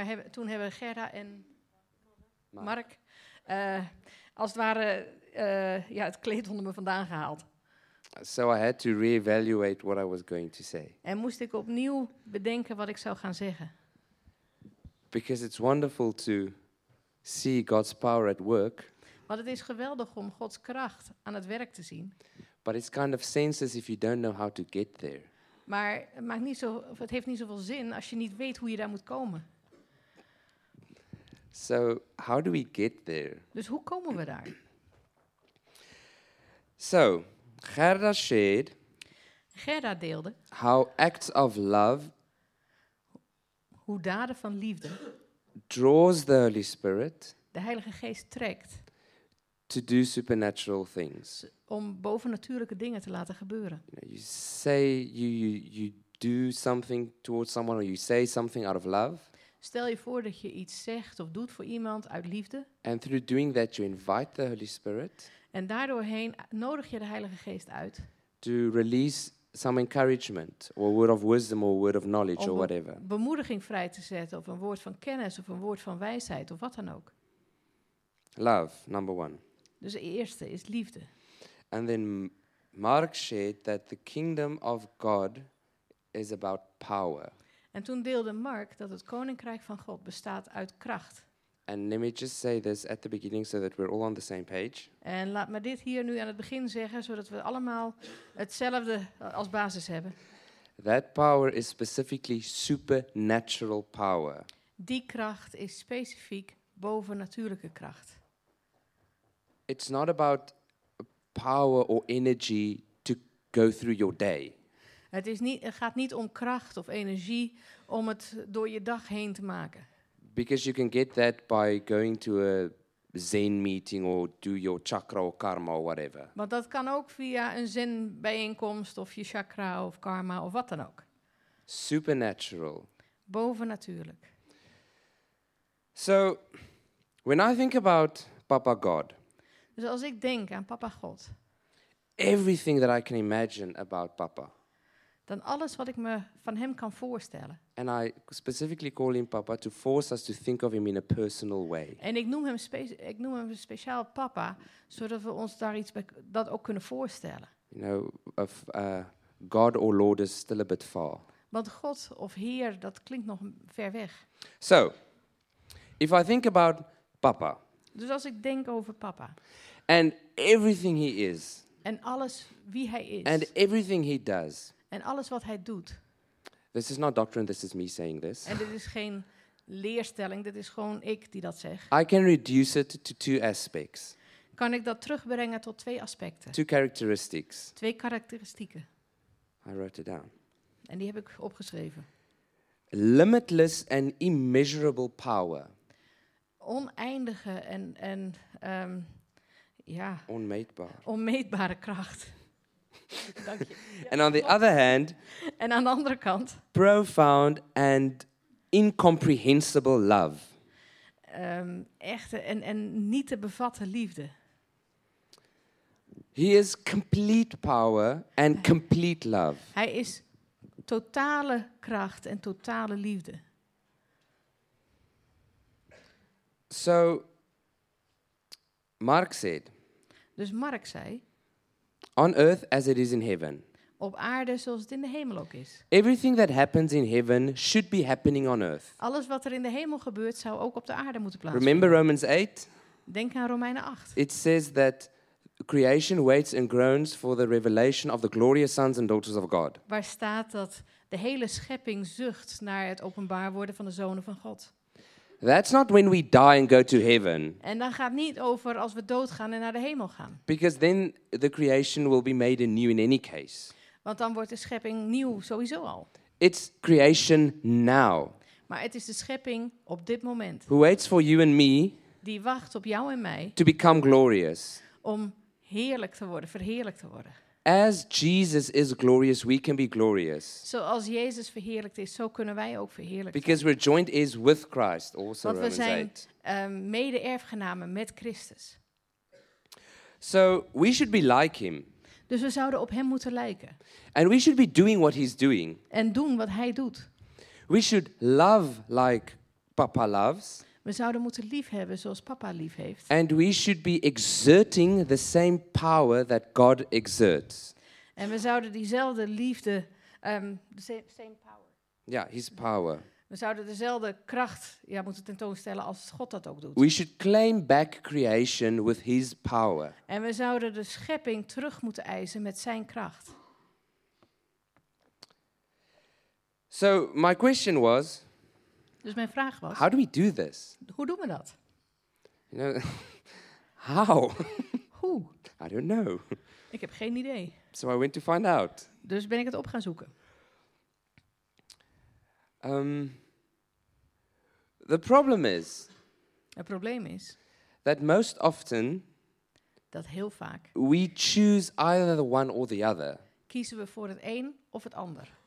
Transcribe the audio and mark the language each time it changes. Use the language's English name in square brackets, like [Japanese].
[Dutch] Toen hebben Gerda en Mark als het ware het kleed onder me vandaan gehaald. [English] So I had to re-evaluate what I was going to say. [Dutch] En moest ik opnieuw bedenken wat ik zou gaan zeggen. [English] Because it's wonderful to see God's power at work. [Dutch] Want het is geweldig om Gods kracht aan het werk te zien. [English] But it's kind of senseless if you don't know how to get there. [Dutch] Maar het heeft niet zoveel zin als je niet weet hoe je daar moet komen. [English] So how do we get there? [Dutch] Dus hoe komen we daar? [English] So, Gerda shared. [Dutch] Gerda deelde. [English] How acts of love. [Dutch] Hoe daden van liefde. [English] Draws the Holy Spirit. [Dutch] De Heilige Geest trekt. [English] To do supernatural things. [Dutch] Om bovennatuurlijke dingen te laten gebeuren. [English] You know, you say you do something towards someone or you say something out of love. [Dutch] Stel je voor dat je iets zegt of doet voor iemand uit liefde. [English] And through doing that you invite the Holy Spirit. [Dutch] En daardoorheen nodig je de Heilige Geest uit. [English] To release some encouragement or word of wisdom or word of knowledge or whatever. [Dutch] Om bemoediging vrij te zetten of een woord van kennis of een woord van wijsheid of wat dan ook. [English] Love, number one. [Dutch] Dus de eerste is liefde. [English] And then Mark shared that the kingdom of God is about power. [Dutch] En toen deelde Mark dat het koninkrijk van God bestaat uit kracht. [English] And let me just say this at the beginning so that we're all on the same page. [Dutch] En laat me dit hier nu aan het begin zeggen zodat we allemaal hetzelfde als basis hebben. [English] That power is specifically supernatural power. [Dutch] Die kracht is specifiek bovennatuurlijke kracht. [English] It's not about power or energy to go through your day. [Dutch] Het gaat niet om kracht of energie om het door je dag heen te maken. [English] Because you can get that by going to a zen meeting or do your chakra or karma or whatever. [Dutch] Want dat kan ook via een zen bijeenkomst of je chakra of karma of wat dan ook. [English] Supernatural. [Dutch] Bovennatuurlijk. [English] So, when I think about Papa God. [Dutch] Dus als ik denk aan Papa God. [English] Everything that I can imagine about Papa. [Dutch] Dan alles wat ik me van hem kan voorstellen. [English] And I specifically call him Papa to force us to think of him in a personal way. [Dutch] En ik noem hem speciaal Papa, zodat we ons daar iets dat ook kunnen voorstellen. [English] You know, of God or Lord is still a bit far. [Dutch] Want God of Heer, dat klinkt nog ver weg. [English] So, if I think about Papa. [Dutch] Dus als ik denk over Papa. [English] And everything he is. [Dutch] En alles wie hij is. [English] And everything he does. [Dutch] En alles wat hij doet. [English] This is not doctrine, this is me saying this. [Dutch] En dit is geen leerstelling, dit is gewoon ik die dat zeg. [English] I can reduce it to two aspects. [Dutch] kan ik dat terugbrengen tot twee aspecten. [English] Two characteristics. [Dutch] Twee karakteristieken. [English] I wrote it down. [Dutch] En die heb ik opgeschreven. [English] Limitless and immeasurable power. [Dutch] Oneindige en ja. Onmeetbaar. Onmeetbare kracht. Dank je. [English] And on the other hand. [Dutch] En aan de andere kant. [English] Profound and incomprehensible love. [Dutch] Echte en niet te bevatten liefde. [English] He is complete power and complete love. [Dutch] Hij is totale kracht en totale liefde. [English] So, Mark said. [Dutch] Dus Mark zei. [English] On earth as it is in heaven. [Dutch] Op aarde zoals het in de hemel ook is. [English] Everything that happens in heaven should be happening on earth. [Dutch] Alles wat er in de hemel gebeurt zou ook op de aarde moeten plaatsvinden. [English] Remember Romans 8? [Dutch] Denk aan Romeinen 8. [English] It says that creation waits and groans for the revelation of the glorious sons and daughters of God. [Dutch] Waar staat dat de hele schepping zucht naar het openbaar worden van de zonen van God? [English] That's not when we die and go to heaven. [Dutch] En dan gaat niet over als we doodgaan en naar de hemel gaan. [English] Because then the creation will be made anew in any case. [Dutch] Want dan wordt de schepping nieuw sowieso al. [English] It's creation now. [Dutch] Maar het is de schepping op dit moment. [English] Who waits for you and me? [Dutch] Die wacht op jou en mij. [English] To become glorious. [Dutch] Om heerlijk te worden, verheerlijk te worden. [English] As Jesus is glorious, we can be glorious. [Dutch] Zoals Jezus verheerlijkt is, zo kunnen wij ook verheerlijkt zijn. [English] Because we're joint is with Christ, also Romans [Dutch] 8. Want we zijn mede-erfgenamen met Christus. [English] So we should be like him. [Dutch] Dus we zouden op hem moeten lijken. [English] And we should be doing what he's doing. [Dutch] En doen wat hij doet. [English] We should love like Papa loves. [Dutch] We zouden moeten lief hebben zoals papa lief heeft. [English] And we should be exerting the same power that God exerts. [Dutch] En we zouden diezelfde liefde [English] same power. Ja, yeah, his power. [Dutch] We zouden dezelfde kracht moeten tentoonstellen als God dat ook doet. [English] We should claim back creation with his power. [Dutch] En we zouden de schepping terug moeten eisen met zijn kracht. [English] So my question was, [Dutch] dus mijn vraag was, [English] how do we do this? [Dutch] Hoe doen we dat? [English] You know, how? [Dutch] Hoe? [English] I don't know. [Dutch] Ik heb geen idee. [English] So I went to find out. [Dutch] Dus ben ik het op gaan zoeken. [English] The problem is. [Dutch] Het probleem is. [English] That most often. [Dutch] Dat heel vaak. [English] We choose either the one or the other. [Dutch] Kiezen we voor het een of het ander.